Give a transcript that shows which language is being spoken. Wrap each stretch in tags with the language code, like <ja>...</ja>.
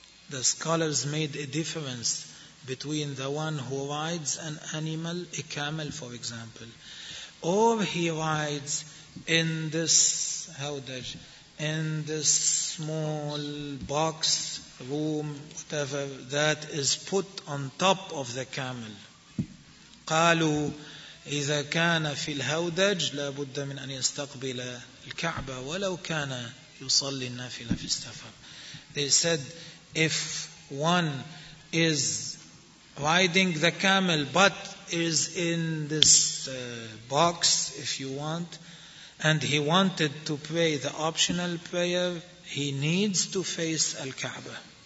<en>The scholars made a difference between the one who rides an animal, a camel for example, or he rides in this هودج, in this small box, room, whatever, that is put on top of the camel.</en> <ar>قالوا إذا كان في الهودج لابد من أن يستقبل الكعبة ولو كان يصلي النافلة في السفر.</ar> <en>They said, if one is riding the camel but is in this box, if you want, and he wanted to pray the optional prayer, he needs to face Al-Ka'bah.</en>